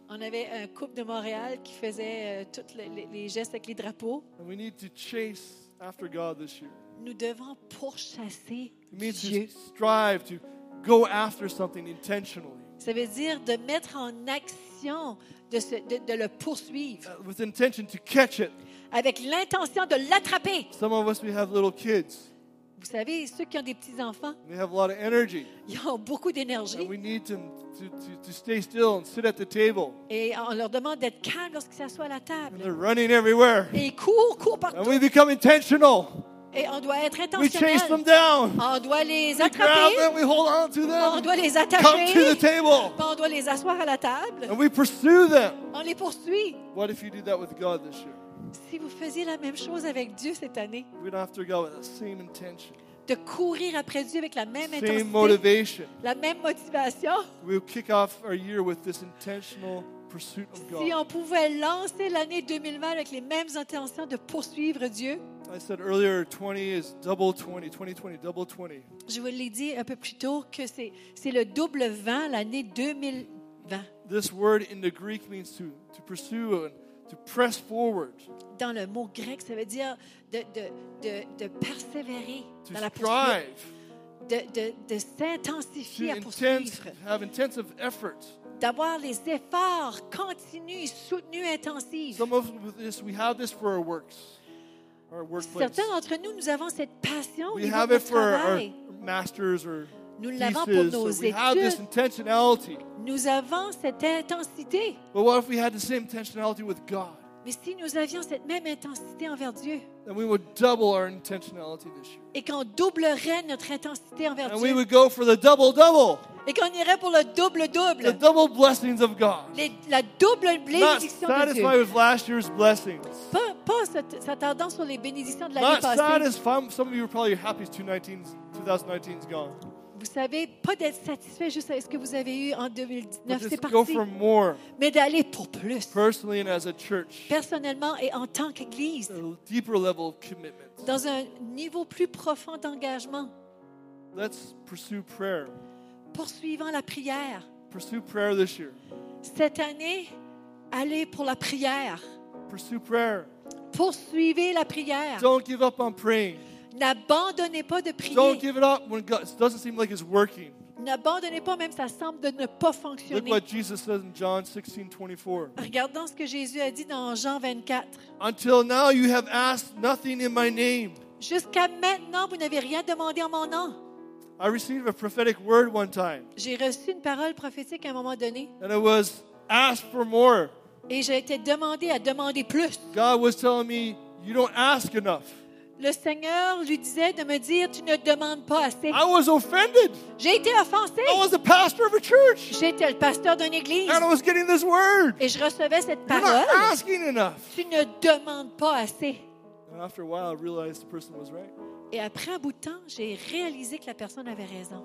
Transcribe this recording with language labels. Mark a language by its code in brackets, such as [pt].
[fr] On avait un couple de Montréal qui faisait toutes les gestes avec les drapeaux. [en] And we need to chase after God this year. [fr] Nous devons pourchasser Dieu. [en] It means to strive to go after something intentionally. [fr] Ça veut dire de mettre en action de le poursuivre. [en] With intention to catch it. [fr] Avec l'intention de l'attraper. [en] Some of us, we have little kids. [fr] Vous savez, ceux qui ont des petits-enfants, [en] they have a lot of energy. [fr] Ils ont beaucoup d'énergie. [en] And we need to stay still and sit at the table. [fr] Et on leur demande d'être calme lorsqu'ils s'assoient à la table. [en] And they're running everywhere. [fr] Et ils courent partout. [en] And we become intentional. [fr] Et on doit être intentionnel. [en] We chase them down. [fr] On doit les [en] we [fr] attraper. [en] Grab them, we hold on to them. [fr] On doit les attacher. [en] Come to the table. [fr] On doit les asseoir à la table. [en] And we pursue them. [fr] On les poursuit. [en] What if you do that with God this year? [fr] Si vous faisiez la même chose avec Dieu cette année, [en] we don't have to go with the same intention. [fr] De courir après Dieu avec la même [en] same [fr] intensité, [en] motivation. [fr] La même motivation, [en] we'll kick off our year with this intentional pursuit of God. [fr] Si on pouvait lancer l'année 2020 avec les mêmes intentions de poursuivre Dieu, [en] I said earlier, 20 is double 20, 2020, double 20. [fr] Je vous l'ai dit un peu plus tôt que c'est le double 20, l'année 2020. [en] This word in the Greek means to pursue and to press forward. [fr] Dans le mot grec, ça veut dire de persévérer [en] to [fr] dans la poursuite. De s'intensifier [en] to [fr] à poursuivre. [en] To have intensive effort. [fr] D'avoir les efforts continus, soutenus, intensifs. [en] Some of this, we have this for our works. Our workplace. [fr] Certains d'entre nous, nous avons cette passion [en] we have it for our masters or [fr] nous [en] thesis, [fr] l'avons pour nos [en] so [fr] études. [en] We have this intentionality. [fr] Nous avons cette intensité. [en] But what if we had the same intentionality with God? [fr] Mais si nous avions cette même intensité envers Dieu, [en] then we would double our intentionality this year. [fr] Et qu'on doublerait notre intensité envers [en] and [fr] Dieu, [en] we would go for the double, double. [fr] Et qu'on irait pour le double, double. [en] The double blessings of God. [fr] La double bénédiction de Dieu. [en] Not satisfied with last year's blessings. [fr] Pas s'attardant sur les bénédictions de l'année [en] not [fr] passée. [en] Not satisfied. Some of you are probably happy 2019 is gone. [fr] Vous savez, pas d'être satisfait juste avec ce que vous avez eu en 2019, c'est parti. [en] Go for more. [fr] Mais d'aller pour plus. [en] Personally and as a church. [fr] Personnellement et en tant qu'Église. [en] A deeper level of commitment. [fr] Dans un niveau plus profond d'engagement. [en] Let's pursue prayer. [fr] Poursuivant la prière. [en] Pursue prayer this year. [fr] Cette année, allez pour la prière. [en] Pursue prayer. [fr] Poursuivez la prière. [en] Don't give up on praying. [fr] N'abandonnez pas de prier. [en] Don't give it up when God, it doesn't seem like it's working. [fr] N'abandonnez pas même ça semble de ne pas fonctionner. [en] Look what Jesus says in John 16:24. [fr] Regardons ce que Jésus a dit dans Jean 24. [en] Until now you have asked nothing in my name. [fr] Jusqu'à maintenant vous n'avez rien demandé en mon nom. [en] I received a prophetic word one time. [fr] J'ai reçu une parole prophétique à un moment donné. [en] And it was ask for more. [fr] Et j'ai été demandé à demander plus. [en] God was telling me you don't ask enough. [fr] Le Seigneur lui disait de me dire, tu ne demandes pas assez. [en] I was offended. [fr] J'ai été offensé. [en] I was the pastor of a church. [fr] J'étais le pasteur d'une église. [en] And I was getting this word. [fr] Et je recevais cette parole. [en] You're not asking enough. [fr] Tu ne demandes pas assez. [en] And after a while, I realized the person was right. [fr] Et après un bout de temps, j'ai réalisé que la personne avait raison.